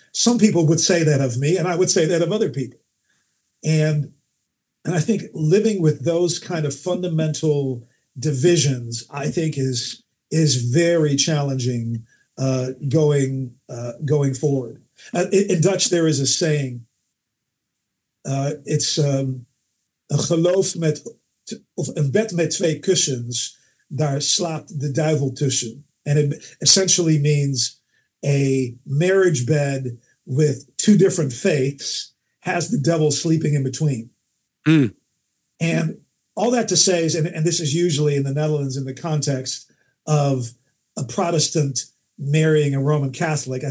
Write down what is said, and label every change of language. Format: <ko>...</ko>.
<en>Some people would say that of me, and I would say that of other people. And I think living with those kind of fundamental divisions, I think is very challenging going forward. In Dutch, there is a saying.</en> <nl>It's een geloof met, of een bed met twee kussens, daar slaapt de duivel tussen.</nl> <en>And it essentially means a marriage bed with two different faiths has the devil sleeping in between. Mm. And all that to say is, and this is usually in the Netherlands in the context of a Protestant marrying a Roman Catholic.</en>